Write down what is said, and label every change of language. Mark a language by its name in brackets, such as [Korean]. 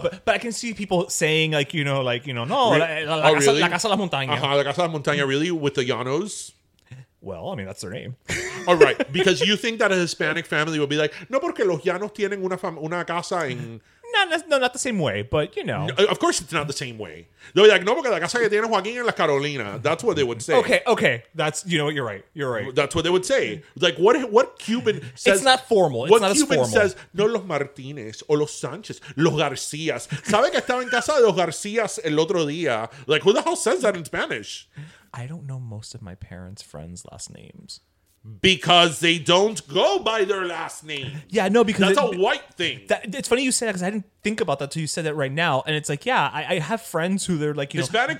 [English] But I can see people saying, like, you know, like, you know, [Spanish] no, la casa de la montaña. Uh-huh, la casa de la montaña, [English] really, with the Llanos? Well, I mean, that's their name. All right, because you think that a Hispanic family would be like, [Spanish] no, porque los Llanos tienen una casa en... [English] Not the same way, but, you know. No, of course it's not the same way. They'll be like, [Spanish] no, porque la casa que tiene Joaquín en la Carolina. [English] That's what they would say. Okay. That's, you know what, you're right. That's what they would say. Like, what Cuban says... It's not formal. It's not as formal. What Cuban says, [Spanish] no, los Martínez o los Sánchez, los Garcías. ¿Sabe que estaba en casa de los Garcías el otro día? [English] Like, who the hell says that in Spanish? I don't know most of my parents' friends' last names. Because they don't go by their last name. Yeah, no, because... That's a white thing. It's funny you say that, because I didn't think about that until you said that right now. And it's like, yeah, I have friends who they're like, you Hispanic